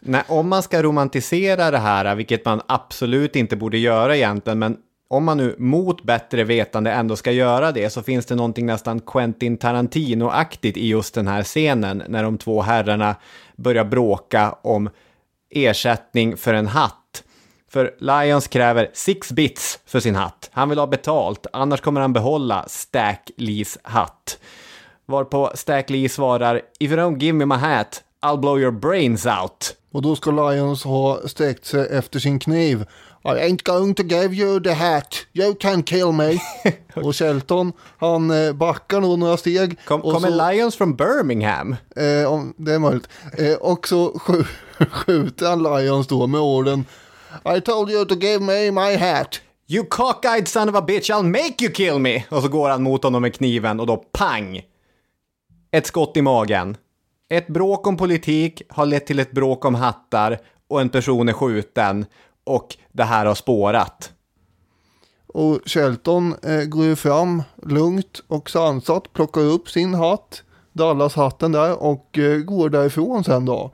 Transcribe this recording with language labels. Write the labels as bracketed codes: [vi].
[sv] Nej, om man ska romantisera det här, vilket man absolut inte borde göra egentligen, men om man nu mot bättre vetande ändå ska göra det, så finns det någonting nästan Quentin Tarantino-aktigt i just den här scenen när de två herrarna börjar bråka om ersättning för en hatt. För Lions kräver 6 bits för sin hatt. Han vill ha betalt, annars kommer han behålla Stack Lees hatt. Varpå Stack Lee svarar, [en] if you don't give me my hat, I'll blow your brains out. [sv] Och då ska Lions ha sträckt sig efter sin kniv. [en] I ain't going to give you the hat. You can kill me. [sv] Och Shelton, han backar nog några steg. Kommer Lions from Birmingham? Det är möjligt. Och så skjuter han Lions då med orden, [en] I told you to give me my hat. You cockeyed son of a bitch, I'll make you kill me. [sv] Och så går han mot honom med kniven och då pang. Ett skott i magen. Ett bråk om politik har lett till ett bråk om hattar och en person är skjuten och det här har spårat. Och Shelton går ju fram lugnt och sansat, plockar upp sin hatt, Dallas-hatten där, och går därifrån sen då.